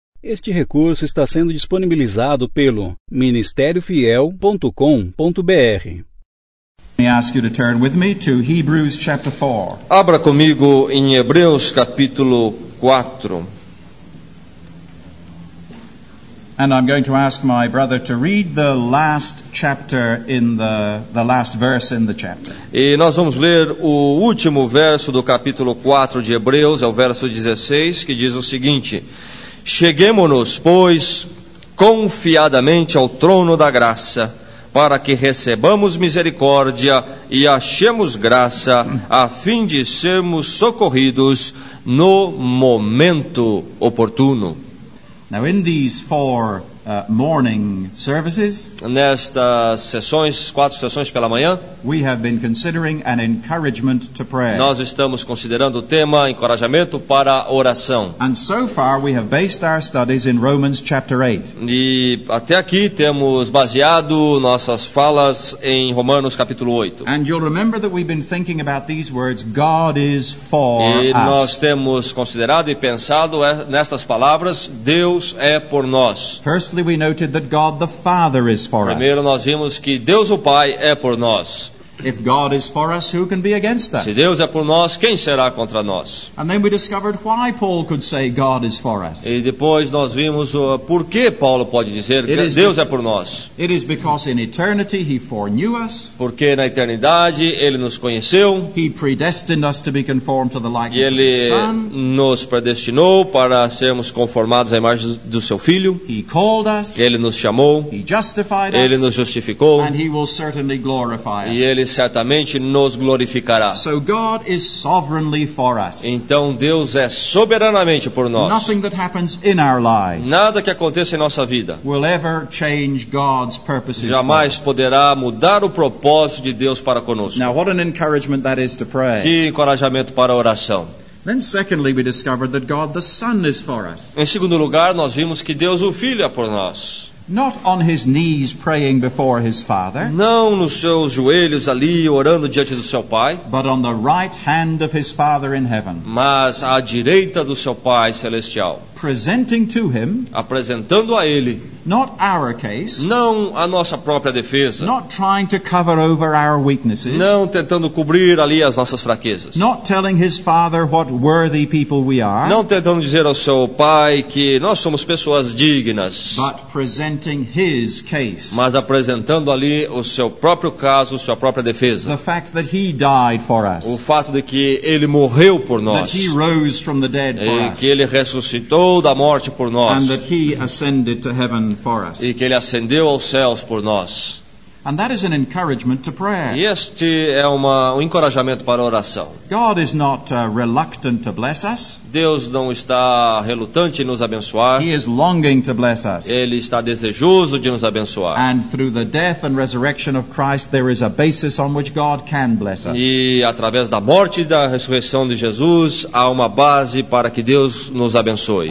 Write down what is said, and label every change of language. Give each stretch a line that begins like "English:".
Portuguese: Este recurso está sendo disponibilizado pelo ministériofiel.com.br.
English: Let me ask you to turn with me to Hebrews chapter 4.
Portuguese: Abra comigo em Hebreus capítulo 4.
English: And I'm going to ask my brother to read the last chapter in the last verse in the chapter.
Portuguese: E nós vamos ler o último verso do capítulo 4 de Hebreus, é o verso 16, que diz o seguinte: Cheguemo-nos, pois, confiadamente ao trono da graça, para que recebamos misericórdia e achemos graça, a fim de sermos socorridos no momento oportuno.
English: Now in these four morning services,
Portuguese: nestas sessões, quatro sessões pela manhã,
English: we have been considering an encouragement to prayer.
Portuguese: Nós estamos considerando o tema encorajamento para oração.
English: And so far we have based our studies in Romans chapter 8.
Portuguese: E até aqui temos baseado nossas falas em Romanos capítulo 8.
English: And you'll remember that we've been thinking about these words, God is for us.
Portuguese: E nós temos considerado e pensado nestas palavras, Deus é por nós.
English: Firstly, we noted that God the Father is for us.
Portuguese: Primeiro nós vimos que Deus o Pai é por nós.
English: If God is for us, who can be against us?
Portuguese: Se Deus é por nós, quem será contra nós?
English: And then we discovered why Paul could say God is for us.
Portuguese: E depois nós vimos por que Paulo pode dizer que Deus é por nós.
English: It is because in eternity he foreknew us.
Portuguese: Porque na eternidade ele nos conheceu.
English: He predestined us to be conformed to the likeness of his son.
Portuguese: E ele nos predestinou para sermos conformados à imagem do seu filho.
English: He called us.
Portuguese: Ele nos chamou.
English: He justified
Portuguese: ele
English: us.
Portuguese: Nos justificou.
English: And he will certainly glorify us.
Portuguese: E ele certamente nos glorificará.
English: So God is sovereignly for us.
Portuguese: Então Deus é soberanamente por nós.
English: Nothing that happens in our lives.
Portuguese: Nada que aconteça em nossa vida.
English: Will ever change God's purposes.
Portuguese: Jamais poderá mudar o propósito de Deus para conosco.
English: Now what an encouragement that is to pray.
Portuguese: Que encorajamento para a oração.
English: Then secondly we discovered that God the Son is for us.
Portuguese: Em segundo lugar nós vimos que Deus o Filho é por nós.
English: Not on his knees praying before his father.
Portuguese: Não nos seus joelhos ali orando diante do seu pai.
English: But on the right hand of his father in heaven.
Portuguese: Mas à direita do seu pai celestial.
English: Presenting to him.
Portuguese: Apresentando a ele.
English: Not our case.
Portuguese: Não a nossa própria defesa.
English: Not trying to cover over our weaknesses.
Portuguese: Não tentando cobrir ali as nossas fraquezas.
English: Not telling his father what worthy people we are.
Portuguese: Não tentando dizer ao seu pai que nós somos pessoas dignas.
English: But presenting his case.
Portuguese: Mas apresentando ali o seu próprio caso, sua própria defesa.
English: The fact that he died for us.
Portuguese: O fato de que ele morreu por nós.
English: That he rose from the dead for us.
Portuguese: E que ele ressuscitou da morte por nós.
English: And that he ascended to heaven.
Portuguese: E que ele ascendeu aos céus por nós.
English: And that is an encouragement to prayer.
Portuguese: E este é um encorajamento para a oração.
English: God is not reluctant to bless us.
Portuguese: Deus não está relutante em nos abençoar.
English: He is longing to bless us.
Portuguese: Ele está desejoso de nos abençoar.
English: And through the death and resurrection of Christ, there is a basis on which God can bless us.
Portuguese: E através da morte e da ressurreição de Jesus há uma base para que Deus nos abençoe.